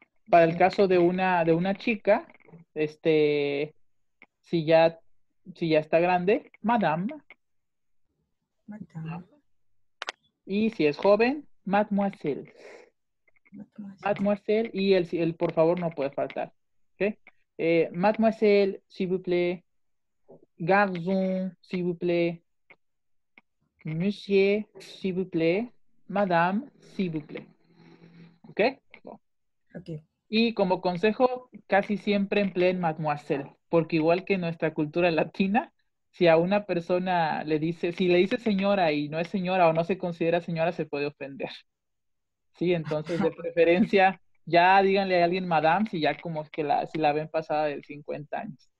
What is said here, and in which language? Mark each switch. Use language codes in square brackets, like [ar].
[es] Para el caso de una chica, si ya está grande, madame. Y si es joven, mademoiselle. Mademoiselle, y el por favor no puede faltar. ¿Okay? [fr] Mademoiselle, s'il vous plaît. Garçon, s'il vous plaît. Monsieur, s'il vous plaît. Madame, s'il vous plaît. ¿Okay? Bueno. Okay. [es] Y como consejo, casi siempre empleen mademoiselle, porque igual que nuestra cultura latina. Si a una persona si le dice señora y no es señora o no se considera señora, se puede ofender. Sí, entonces de preferencia ya díganle a alguien madame si ya como que si la ven pasada de 50 años.